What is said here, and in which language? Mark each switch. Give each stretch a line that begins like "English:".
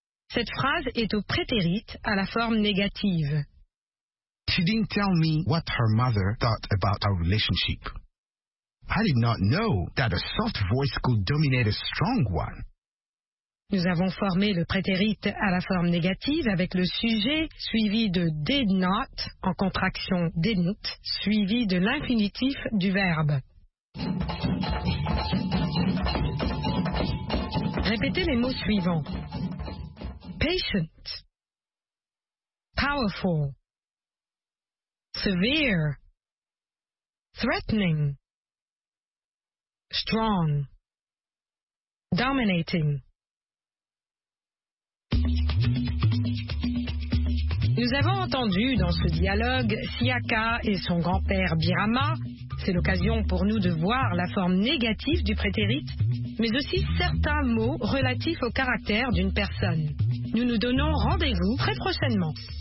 French: Cette phrase est au prétérit à la forme négative.
English: She didn't tell me what her mother thought about our relationship. I did not know that a soft voice could dominate a strong one.
French: Nous avons formé le prétérit à la forme négative avec le sujet suivi de did not en contraction didn't suivi de l'infinitif du verbe. Répétez les mots suivants.
English: Patient, powerful, severe, threatening, strong, dominating.
French: Nous avons entendu dans ce dialogue Siaka et son grand-père Birama. C'est l'occasion pour nous de voir la forme négative du prétérit, mais aussi certains mots relatifs au caractère d'une personne. Nous nous donnons rendez-vous très prochainement.